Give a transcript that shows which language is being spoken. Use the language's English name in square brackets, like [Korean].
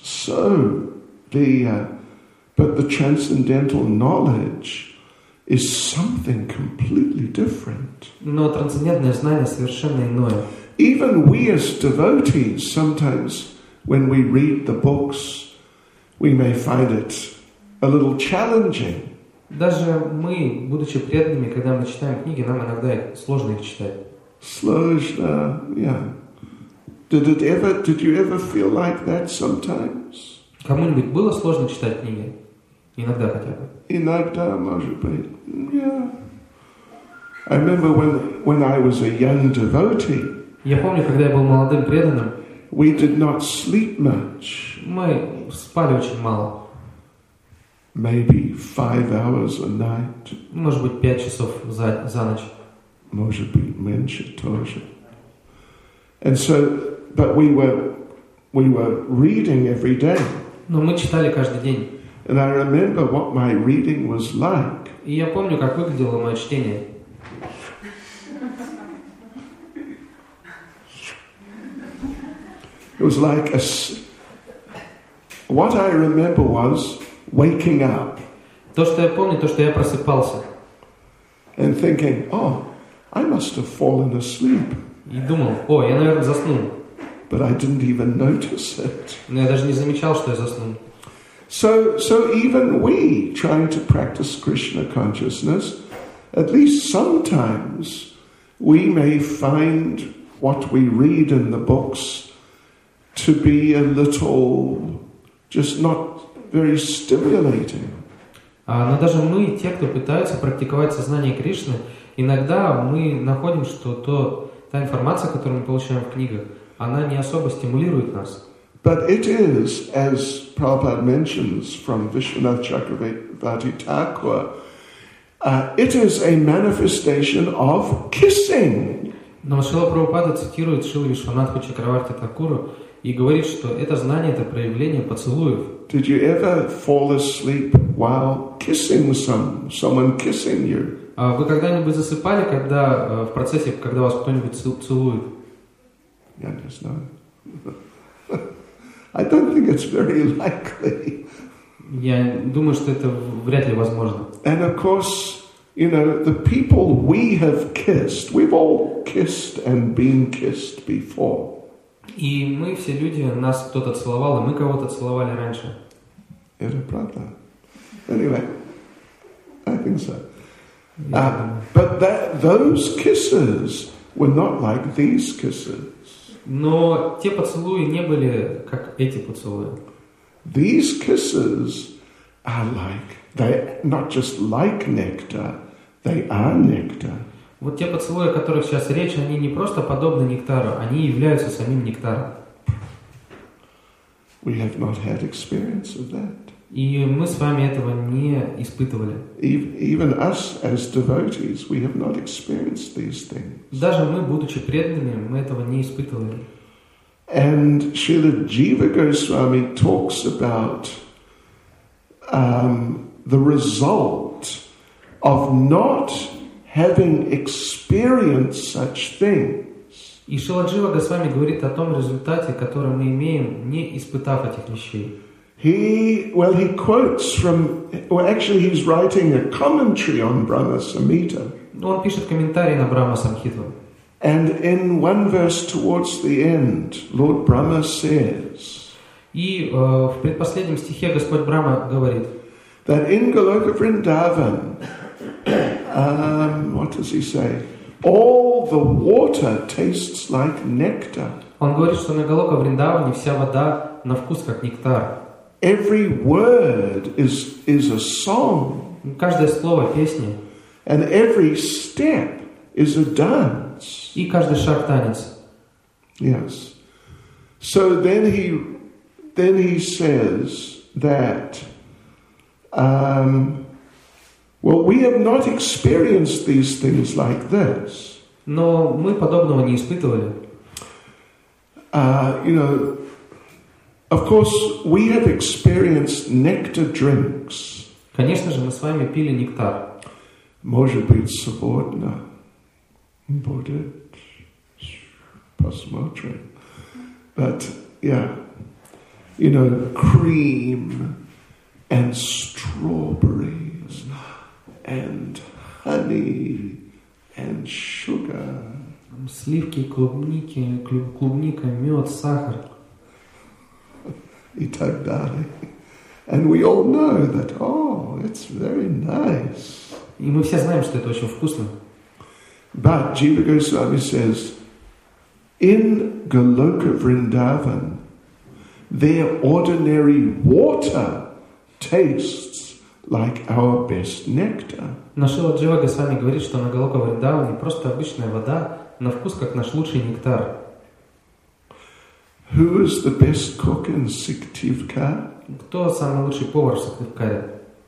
[English] So, but the transcendental knowledge is something completely different. [Russian] Но трансцендентное знание совершенно иное. [English] Even we as devotees, sometimes when we read the books, we may find it a little challenging. [Russian] Даже мы, будучи преданными, когда мы читаем книги, нам иногда сложно их читать. Сложно, [English] yeah. Did you ever feel like that sometimes? [Russian] Кому-нибудь было сложно читать книги? Иногда хотя бы. Иногда, может быть, yeah. [English] I remember when I was a young devotee. [Russian] Я помню, когда я был молодым преданным. [English] We did not sleep much. [Russian] Мы спали очень мало. [English] Maybe 5 hours a night. [Russian] Может быть, 5 часов за ночь. Может быть, меньше тоже. [English] And so, but we were reading every day. [Russian] Но мы читали каждый день. [English] And I remember what my reading was like. [Russian] И я помню, как выглядело мое чтение. [English] It was like a. What I remember was waking up. [Russian] То, что я помню, то, что я просыпался. [English] And thinking, oh, I must have fallen asleep. [Russian] И думал, о, я, наверное, заснул. [English] But I didn't even notice it. [Russian] Но я даже не замечал, что я заснул. [English] So even we trying to practice Krishna consciousness, at least sometimes we may find what we read in the books to be a little, just not very stimulating. [Russian] Но даже мы, те, кто пытаются практиковать сознание Кришны, иногда мы находим, что та информация, которую мы получаем в книгах, она не особо стимулирует нас. [English] But it is, as Prabhupada mentions from Vishwanath Chakravarti Thakur, it is a manifestation of kissing. [Russian] Но Шрила Прабхупада цитирует Шрилу Вишванатху Чакраварти Такуру и говорит, что это знание – это проявление поцелуев. [English] Did you ever fall asleep while kissing someone kissing you? [Russian] Вы когда-нибудь засыпали, когда в процессе, когда вас кто-нибудь целует? Я не знаю. [English] I don't think it's very likely. [Russian] Я думаю, что это вряд ли возможно. [English] And of course, you know, the people we have kissed, we've all kissed and been kissed before. [Russian] И мы все люди, нас кто-то целовал, и мы кого-то целовали раньше. Это правда. [English] Anyway, I think so. But those kisses were not like these kisses. [Russian] Но те поцелуи не были как эти поцелуи. [English] These kisses are like they not just like nectar, they are nectar. [Russian] Вот те поцелуи, о которых сейчас речь, они не просто подобны нектару, они являются самим нектаром. [English] We have not had experience of that. [Russian] И мы с вами этого не испытывали. [English] Even us as devotees, we have not experienced these things. [Russian] Даже мы, будучи преданными, мы этого не испытывали. [English] And Srila Jiva Goswami talks about the result of not having experienced such things. [Russian] И Шрила Джива Госвами говорит о том результате, который мы имеем, не испытав этих вещей. [English] He's writing a commentary on Brahma Samhita. [Russian] Он пишет комментарий на Брахма Самхиту. [English] And in one verse towards the end, Lord Brahma says. [Russian] И в предпоследнем стихе Господь Брама говорит. [English] That in Goloka Vrindavan, what does he say? All the water tastes like nectar. [Russian] Он говорит, что на Голока Вриндаване вся вода на вкус как нектар. [English] Every word is a song. [Russian] Каждое слово песня. [English] And every step is a dance. [Russian] И каждый шаг танец. [English] Yes. So then he says that well, we have not experienced these things like this. [Russian] Но мы подобного не испытывали. [English] You know, of course, we have experienced nectar drinks. [Russian] Конечно же, мы с вами пили нектар. Может быть, сегодня будет посмотрим. [English] But yeah, you know, cream and strawberries and honey and sugar. [Russian] Сливки, клубники, клубника, мед, сахар. И так далее. [English] And we all know that, oh, it's very nice. [Russian] И мы все знаем, что это очень вкусно. [English] But Jiva Goswami says, in Goloka Vrindavan, their ordinary water tastes like our best nectar. [Russian] Но Шрила Джива Госвами говорит, что на Голока Вриндаване просто обычная вода на вкус как наш лучший нектар. [English] Who is the best cook in Сыктывкар? [Russian] Кто самый лучший повар в Сыктывкаре?